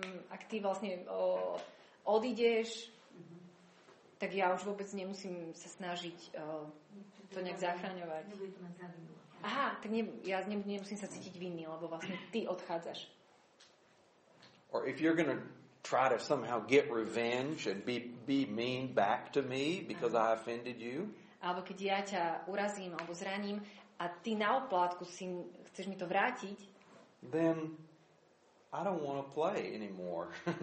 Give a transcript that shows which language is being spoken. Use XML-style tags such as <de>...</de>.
<sk>Ak ty vlastne odídeš, tak ja už vôbec nemusím sa snažiť to nejak zachraňovať. Aha, tak ja nemusím sa cítiť vinný, lebo vlastne ty odchádzaš.</sk> <en>Or if you're going to try to somehow get revenge and be mean back to me because I offended you.</en> <sk>Alebo keď ja ťa urazím alebo zraním a ty na oplátku si chceš mi to vrátiť,</sk> <en>then I don't want to play anymore.</en>